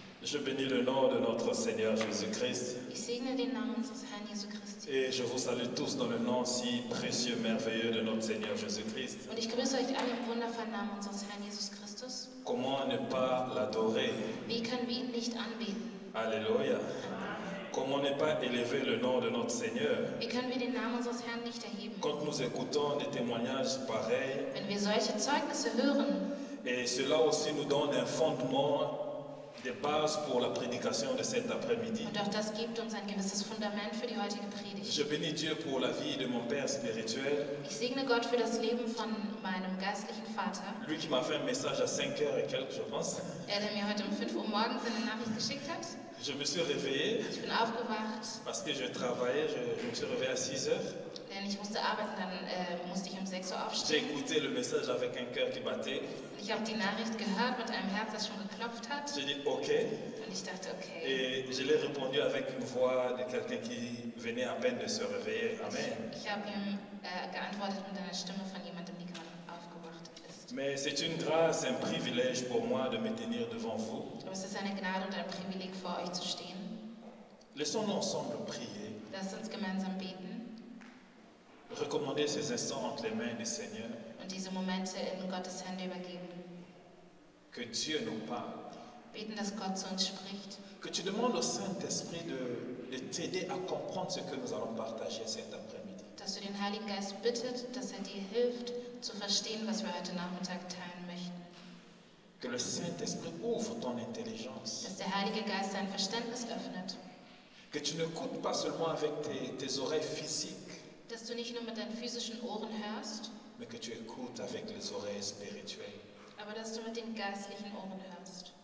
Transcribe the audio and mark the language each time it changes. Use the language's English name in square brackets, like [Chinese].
[French] Je bénis le nom de notre Seigneur Jésus-Christ. [German] Ich segne den Namen unseres Herrn Jesus Christus. [French] Et je vous salue tous dans le nom si précieux, merveilleux de notre Seigneur Jésus-Christ. [German] Und ich grüße euch alle im wundervollen Namen unseres Herrn Jesus Christus. [French] Comment ne pas l'adorer? [German] Wie können wir ihn nicht anbeten? [French] Alléluia. Comment ne pas élever le nom de notre Seigneur? [German] Wie können wir den Namen unseres Herrn nicht erheben? [French] Quand nous écoutons des témoignages pareils, [German] wenn wir solche Zeugnisse hören, [French] et cela aussi nous donne un fondement, des bases pour la prédication de cet après-midi. [German] Und auch das gibt uns ein gewisses Fundament für die heutige Predigt. [French] Je bénis Dieu pour la vie de mon père spirituel. [German] Ich segne Gott für das Leben von meinem geistlichen Vater. [French] Lui qui m'a fait un message à 5h et quelques, je pense. [German] Er, der mir heute um 5 Uhr morgens eine Nachricht geschickt hat. [French] Je me suis réveillé. [German] Ich bin aufgewacht. [French] Parce que je travaillais, je me suis réveillé à 6h. [German] Denn ich musste arbeiten, dann musste ich um 6 Uhr aufstehen. [French] J'ai écouté le message avec un cœur qui battait. [German] Ich habe die Nachricht gehört mit einem Herz, das schon geklopft hat. [French] J'ai dit ok. [German] Und ich dachte ok. [French] Et je l'ai répondu avec une voix de quelqu'un qui venait à peine de se réveiller. Amen. [German] Ich habe ihm geantwortet mit einer Stimme von jemandem, die gerade aufgewacht ist. [French] Mais c'est une grâce, un privilège pour moi de me tenir devant vous. [German] Aber es ist eine Gnade und ein Privileg, vor euch zu stehen. [French] Laissons-nous ensemble prier. [German] Lasst uns gemeinsam beten. [French] Recommander ces instants entre les mains du Seigneur. [German] Und diese Momente in Gottes Hände übergeben. [French] Que Dieu nous parle. [German] Beten, dass Gott zu uns spricht. [French] Que tu demandes au Saint-Esprit de t'aider à comprendre ce que nous allons partager cet après-midi. [German] Dass du den Heiligen Geist bittet, dass er dir hilft, zu verstehen, was wir heute Nachmittag teilen möchten. [French] Que le Saint-Esprit ouvre ton intelligence. [German] Dass der Heilige Geist dein Verständnis öffnet. [French] Que tu n'écoutes pas seulement avec tes oreilles physiques. [German] Dass du nicht nur mit deinen physischen Ohren hörst, [French] mais que tu écoutes avec les oreilles spirituelles. [German] Aber dass du mit den geistlichen Ohren hörst.